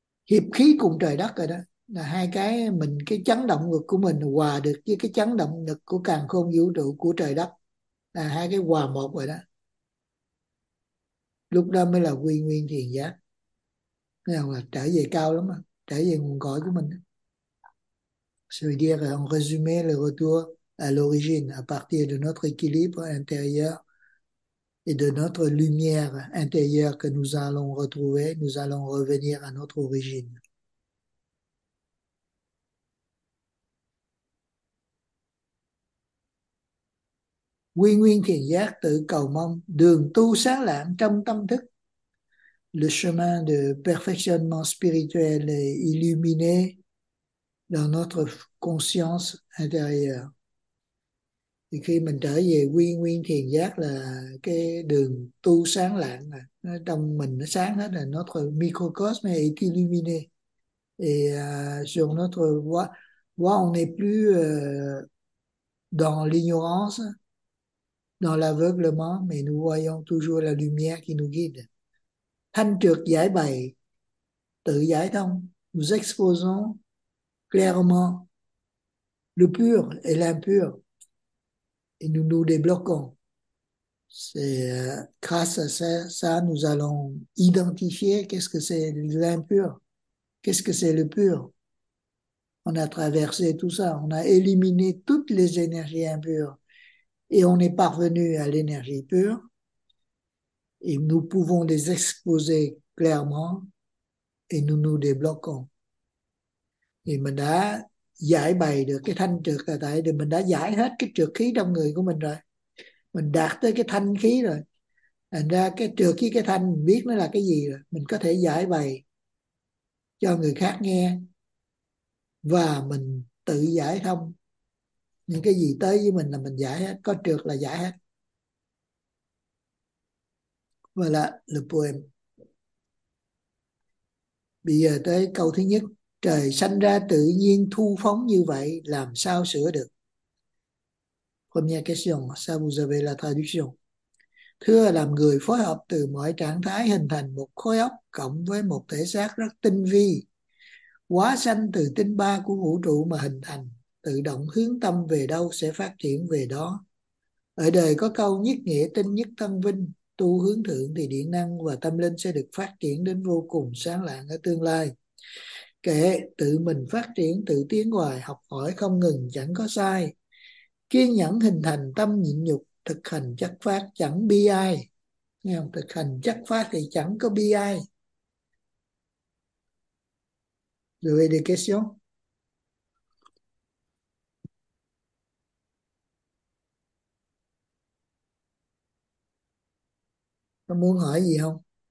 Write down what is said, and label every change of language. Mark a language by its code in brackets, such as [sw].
[vi] Hiệp khí cùng trời đất rồi đó. Là hai cái mình, cái chấn động lực của mình hòa được với cái chấn động lực của càn khôn vũ trụ của trời đất, là hai cái hòa một rồi đó, lúc đó mới là quy nguyên thiền giác, nên là trở về cao lắm đó. Trở về nguồn cội của mình. [fr] Ça veut dire, en résumé, le retour à l'origine, à partir de notre équilibre intérieur et de notre lumière intérieure que nous allons retrouver, nous allons revenir à notre origine. [vi] Quy nguyên thiền giác tự cầu mong đường tu sáng lạng trong tâm thức. [fr] Le chemin de perfectionnement spirituel est illuminé dans notre conscience intérieure. [vi] Et khi mình trở về quy nguyên thiền giác là cái đường tu sáng lạng, nó trong mình nó sáng hết, là [fr] notre microcosme est illuminé. Et sur notre voie, on n'est plus dans l'ignorance, dans l'aveuglement, mais nous voyons toujours la lumière qui nous guide. [vi] Thanh trược giải bày, tự giải thông, [fr] nous exposons clairement le pur et l'impur, et nous nous débloquons. C'est grâce à ça, nous allons identifier qu'est-ce que c'est l'impur, qu'est-ce que c'est le pur. On a traversé tout ça, on a éliminé toutes les énergies impures. Et on est parvenu à l'énergie pure, et nous pouvons les exposer clairement, et nous nous débloquons. [vi] Et mình đã giải bày được cái thanh trược rồi, tại vì mình đã giải hết cái trược khí trong người của mình rồi, mình đạt tới cái thanh khí rồi. Thành ra cái trược khí, cái thanh, mình biết nó là cái gì rồi, mình có thể giải bày cho người khác nghe, và mình tự giải thông. Những cái gì tới với mình là mình giải hết, có trượt là giải hết. [fr] Voilà le poème. [vi] Bây giờ tới câu thứ nhất. Trời sanh ra tự nhiên thu phóng như vậy, làm sao sửa được? [fr] Première question, sao vous avez la traduction? [vi] Thưa, làm người phối hợp từ mọi trạng thái hình thành một khối óc cộng với một thể xác rất tinh vi, hóa sanh từ tinh ba của vũ trụ mà hình thành, tự động hướng tâm về đâu sẽ phát triển về đó. Ở đời có câu nhất nghĩa tinh nhất thân vinh, tu hướng thượng thì điện năng và tâm linh sẽ được phát triển đến vô cùng sáng lạn ở tương lai. Kệ, tự mình phát triển, tự tiến hoài, học hỏi không ngừng, chẳng có sai. Kiên nhẫn hình thành tâm nhịn nhục, thực hành chất phát chẳng bi ai. Nghe không? Thực hành chất phát thì chẳng có bi ai. [fr] Vous avez des questions? [vi] Có muốn hỏi gì không?